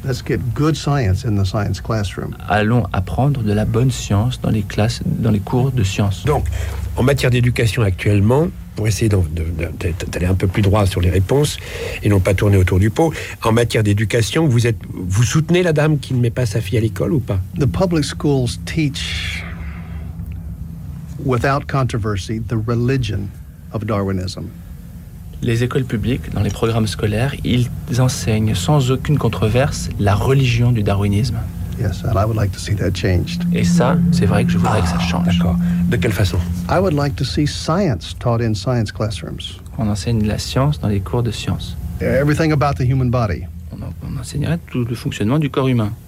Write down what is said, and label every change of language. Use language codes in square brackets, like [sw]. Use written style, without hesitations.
[en] Let's get good science in the science classroom. [fr] Allons apprendre de la bonne science dans les classes, dans les cours de sciences. Donc, en matière d'éducation actuellement, pour essayer d'aller un peu plus droit sur les réponses et non pas tourner autour du pot, en matière d'éducation, vous soutenez la dame qui ne met pas sa fille à l'école ou pas? [en] The public schools teach, without controversy, the religion. Of Darwinism. [fr] Les écoles publiques, dans les programmes scolaires, ils enseignent sans aucune controverse la religion du darwinisme. [en] Yes, and I would like to see that changed. [fr] Et ça, c'est vrai que je voudrais que ça change. D'accord. De quelle façon? [en] I would like to see science taught in science classrooms. [fr] On enseigne la science dans les cours de sciences. [en] Everything about the human body. [fr] On enseignerait tout le fonctionnement du corps humain.